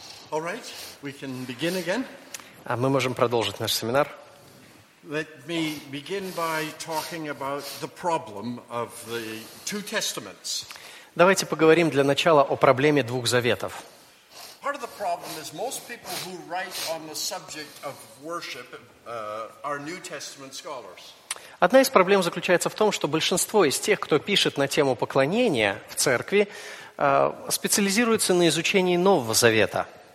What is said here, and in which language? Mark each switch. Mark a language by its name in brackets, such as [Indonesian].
[English] All right, we can begin again. [Russian] А мы можем продолжить наш семинар. [English] Let me begin by talking about the problem of the two testaments. [Russian] Давайте поговорим для начала о проблеме двух заветов. [English] Part of the problem is most people who write on the subject of worship are New Testament scholars. [Russian] Одна из проблем заключается в том, что большинство из тех, кто пишет на тему поклонения в церкви, специализируется на изучении Нового Завета.